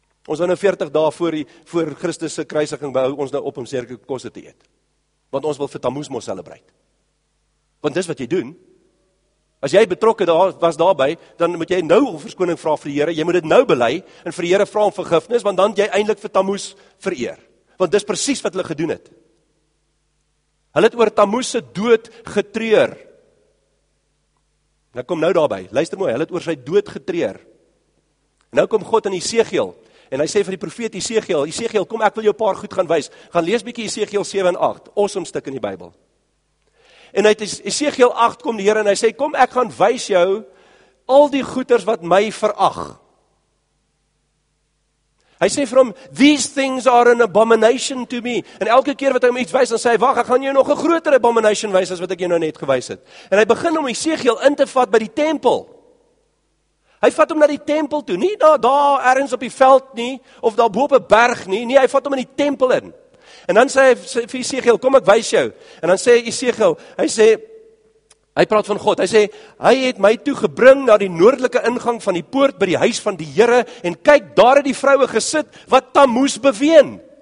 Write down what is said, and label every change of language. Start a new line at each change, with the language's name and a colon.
Afrikaans: Ons hou nou 40 dae voor Christus se kruisiging, behou ons nou op om sekere kosse te eet. Want ons wil vir Tammuz mos selebreit. Want dis wat jy doen. As jy betrokke was daarby, dan moet jy nou verskoning vra vir die Here. Jy moet dit nou bely en vir die Here vra om vergifnis, want dan jy eindelijk vir Tammuz vereer. Want dis precies wat hulle gedoen het. Hulle het oor Tammuz se dood getreur. Nou kom nou daarby. Luister mooi, hulle het oor sy dood getreur. Nou kom God in Esegiel en hy sê vir die profeet Esegiel, Esegiel, kom ek wil jou paar goed gaan wys. Gaan lees bietjie Esegiel 7 en 8. Awesome stuk in die Bybel. En uit Esegiel 8 kom die Here en hy sê, kom ek gaan wys jou al die goeders wat my verag. Hy sê vir hom,
English: these things are an abomination to me.
Afrikaans: En elke keer wat hy hom iets wys, dan sê hy, wag, ek gaan jou nog 'n groter abomination wys as wat ek jou nou net gewys het. En hy begin om Esegiel in te vat by die tempel. Hy vat hom na die tempel toe, nie daar ergens op die veld nie, of daar bo op 'n berg nie, nie, hy vat hom in die tempel in. En dan sê hy vir Esegiel, kom ek wys jou. En dan sê Esegiel, hy sê, hy praat van God, hy sê, hy het my toe gebring na die noordelike ingang van die poort by die huis van die Here, en kyk, daar het die vroue gesit wat Tammuz beween.